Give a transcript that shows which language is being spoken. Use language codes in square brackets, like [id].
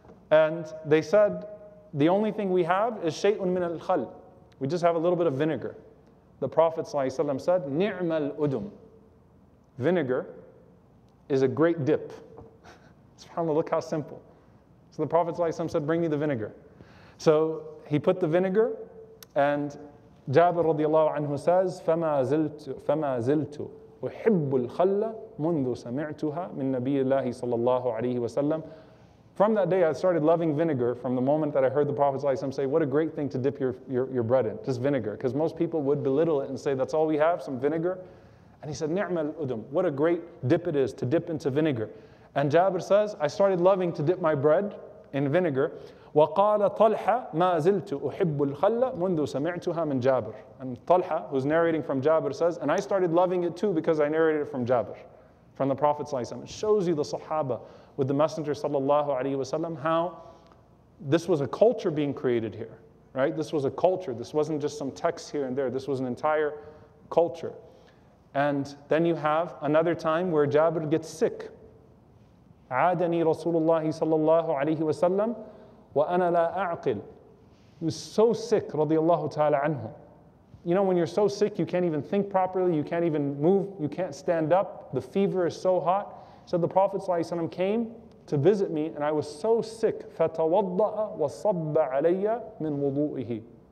[en] And they said, the only thing we have is [ar] shay'un min al-khal. [en] We just have a little bit of vinegar. The Prophet ﷺ said, [ar] ni'mal al-udum. [en] Vinegar is a great dip. SubhanAllah, look how simple. So the Prophet ﷺ said, bring me the vinegar. So he put the vinegar, and Jabir radiallahu anhu says, [ar] فَمَا زِلْتُ أُحِبُّ الْخَلَّ مُنْذُ سَمِعْتُهَا مِنْ نَبِيِّ اللَّهِ صَلَى اللَّهُ عَلَيْهِ وَسَلَّمْ. [en] From that day, I started loving vinegar from the moment that I heard the Prophet ﷺ say, what a great thing to dip your bread in, just vinegar. Because most people would belittle it and say, that's all we have, some vinegar. And he said, [ar] ni'mal udum, [en] what a great dip it is to dip into vinegar. And Jabir says, I started loving to dip my bread in vinegar. [ar] وَقَالَ طَلْحَ مَا زِلْتُ أُحِبُّ الْخَلَّ مُنْذُ سَمِعْتُهَا مِنْ جَابِرِ. [en] And Talha, who's narrating from Jabir, says, and I started loving it too because I narrated it from Jabir, from the Prophet ﷺ. It shows you the Sahaba with the Messenger sallallahu alaihi wasallam, how this was a culture being created here, right? This was a culture. This wasn't just some text here and there. This was an entire culture. And then you have another time where Jabir gets sick. [ar] عادني رسول الله صلى الله عليه وسلم وأنا لا أعقل. [en] He was so sick, رضي الله تعالى عنه. You know, when you're so sick, you can't even think properly. You can't even move. You can't stand up. The fever is so hot. So the Prophet ﷺ came to visit me and I was so sick. [ar] فَتَوَضَّأَ وَصَبَّ عَلَيَّ مِنْ وُضُوئِهِ.